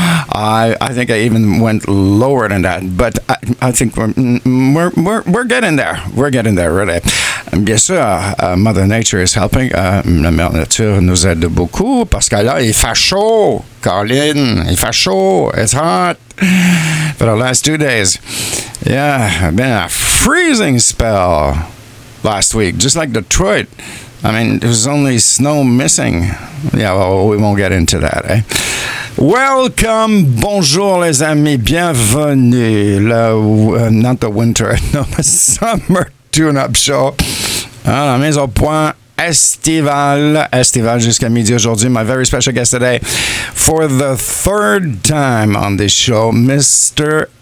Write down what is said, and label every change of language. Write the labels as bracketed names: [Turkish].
[English] I think I even went lower than that, but I think we're getting there. We're getting there, really. [French] Bien sûr, [English] Mother Nature is helping. [French] La Mère Nature nous aide beaucoup parce que là, il fait chaud, Caroline. Il fait chaud. [English] It's hot for the last 2 days. Yeah, been a freezing spell last week, just like Detroit. I mean, there's only snow missing. Yeah, well, we won't get into that, eh? Welcome, [French] bonjour les amis, bienvenue. [English] Not the winter, no, the summer tune-up show. [French] Ah, la mise au point estivale jusqu'à midi aujourd'hui. [English] My very special guest today, for the third time on this show, Mr.